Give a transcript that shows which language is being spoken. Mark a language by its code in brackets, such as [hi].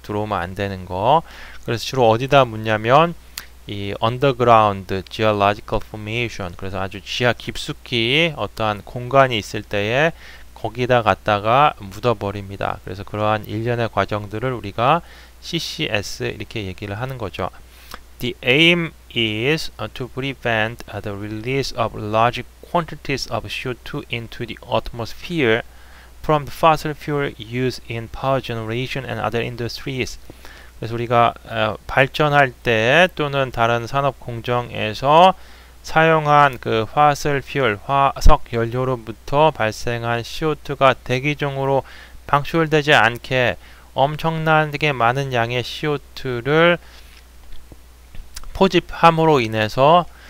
[ko] 들어오면 안 되는 거. 그래서 주로 어디다 묻냐면 이 언더그라운드 지올로지컬 포메이션 그래서 아주 지하 깊숙이 어떠한 공간이 있을 때에 거기다 갔다가 묻어버립니다. 그래서 그러한 일련의 과정들을 우리가 CCS 이렇게 얘기를 하는 거죠. [en] The aim is to prevent the release of large quantities of CO2 into the atmosphere from the fossil fuel used in power generation and other industries. [ko] 그래서 우리가 발전할 때 또는 다른 산업 공정에서 사용한 그 fossil fuel, 화석 연료로부터 발생한 CO2가 대기중으로 방출되지 않게 엄청나게 많은 양의 CO2를 포집함으로 인해서